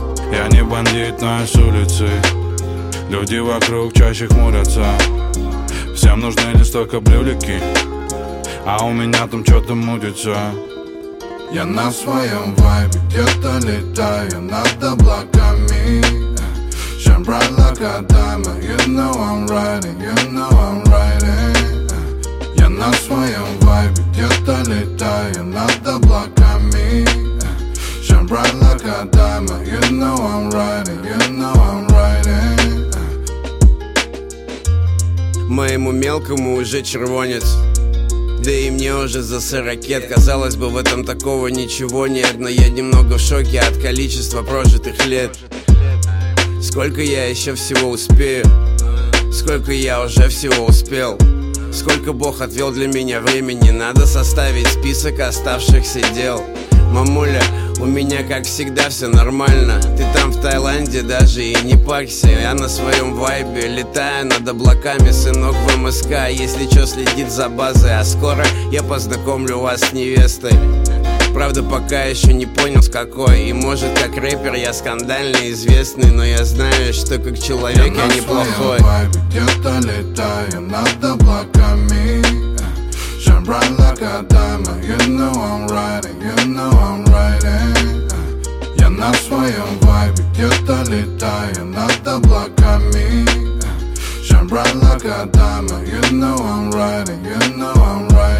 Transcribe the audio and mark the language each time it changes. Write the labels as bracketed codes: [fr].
[ru] Я не бандит, но я с улицы. Люди вокруг чаще хмурятся. Всем нужны не столько брюлики, а у меня там что-то мутится. Я на своем вайбе, где-то летаю над облаками. [en] Shine bright like a diamond, you know I'm riding, you know I'm riding. [ru] Я на своем вайбе, где-то летаю над облаками. [en] Shine bright like a diamond, you know I'm riding, you know I'm riding. [ru] Моему мелкому уже червонец, да и мне уже за сорокет. Казалось бы, в этом такого ничего нет, но я немного в шоке от количества прожитых лет. Сколько я еще всего успею? Сколько я уже всего успел? Сколько Бог отвел для меня времени? Надо составить список оставшихся дел. Мамуля, у меня как всегда все нормально. Ты там в Таиланде даже и не парься. Я на своем вайбе летаю над облаками. Сынок в МСК, если что, следит за базой. А скоро я познакомлю вас с невестой. Правда, пока еще не понял, с какой. И может, как рэпер я скандально известный, но я знаю, что как человек я неплохой. Я на своем вайбе где-то летаю над облаками. [en] Shine bright like a diamond, you know I'm riding, you know I'm riding. [ru] Я на своем вайбе где-то летаю над облаками. [en] Shine bright like a diamond, you know I'm riding, you know I'm riding.